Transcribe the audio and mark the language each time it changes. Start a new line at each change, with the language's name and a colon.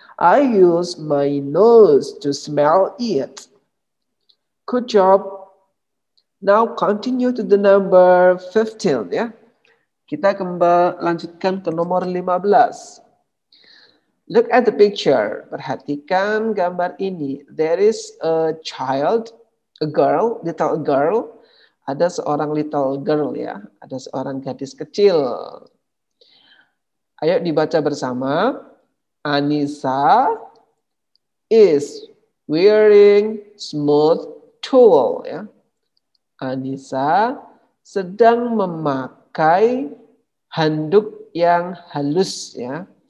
English: I use my nose to smell it. Good job. Now continue to the number 15, ya.
Indonesian: Kita kembali lanjutkan ke nomor 15.
English: Look at the picture.
Indonesian: Perhatikan gambar ini.
English: There is a child, a girl, little girl.
Indonesian: Ada seorang
English: little girl,
Indonesian: ya. Ada seorang gadis kecil. Ayo dibaca bersama.
English: Anissa is wearing smooth tool, ya.
Indonesian: Anissa sedang memakai handuk yang halus, ya.